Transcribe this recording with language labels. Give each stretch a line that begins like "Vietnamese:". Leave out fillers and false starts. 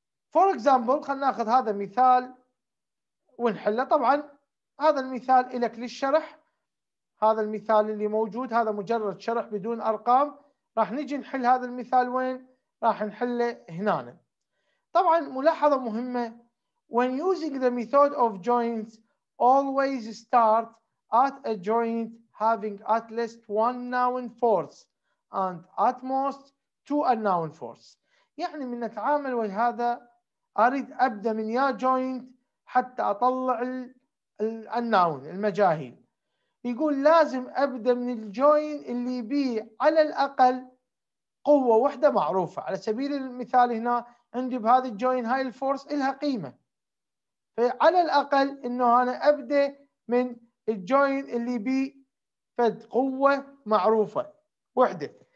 English: For example،
Arabic: خلنا ناخذ هذا مثال ونحله. طبعا هذا المثال لك للشرح، هذا المثال اللي موجود هذا مجرد شرح بدون ارقام. راح نجي نحل هذا المثال، وين راح نحله؟ هنا. طبعا ملاحظة مهمة،
English: when using the method of joints always start at a joint having at least one known force and at most two unknown forces.
Arabic: يعني من نتعامل ويا هذا اريد ابدا من يا جوينت حتى اطلع ال unknown المجاهيل. يقول لازم ابدا من الجوين اللي بيه على الاقل قوة واحدة معروفة. على سبيل المثال هنا عندي بهذه الجوين هاي الفورس إلها قيمة، فعلى الأقل إنه أنا أبدأ من الجوين اللي بي فد قوة معروفة واحدة.